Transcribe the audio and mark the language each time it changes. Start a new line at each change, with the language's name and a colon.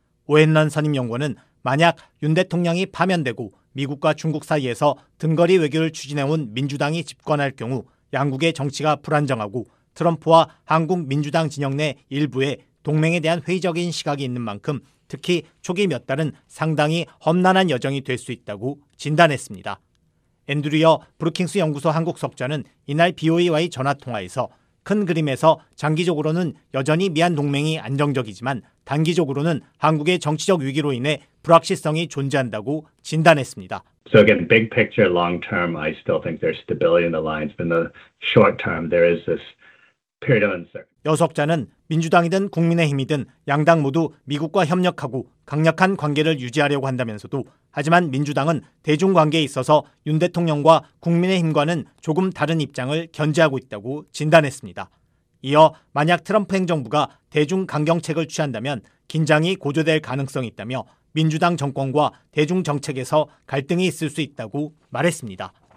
Korean: 오헨런 선임 연구원은 만약 윤 대통령이 파면되고 미국과 중국 사이에서 등거리 외교를 추진해온 민주당이 집권할 경우 양국의 정치가 불안정하고 트럼프와 한국 민주당 진영 내 일부에 동맹에 대한 회의적인 시각이 있는 만큼 특히 초기 몇 달은 상당히 험난한 여정이 될 수 있다고 진단했습니다. 앤드류여 브루킹스 연구소 한국 석좌는 이날 BOA와의 전화통화에서 큰 그림에서 장기적으로는 여전히 미한 동맹이 안정적이지만 단기적으로는 한국의 정치적 위기로 인해 불확실성이 존재한다고 진단했습니다.
English: So again, big picture, long term, I still think there's stability in the lines. But in the short term, there is this period of uncertainty.
Korean: 여석자는 민주당이든 국민의힘이든 양당 모두 미국과 협력하고 강력한 관계를 유지하려고 한다면서도 하지만 민주당은 대중관계에 있어서 윤 대통령과 국민의힘과는 조금 다른 입장을 견지하고 있다고 진단했습니다. 이어 만약 트럼프 행정부가 대중 강경책을 취한다면 긴장이 고조될 가능성이 있다며 민주당 정권과 대중 정책에서 갈등이 있을 수 있다고 말했습니다.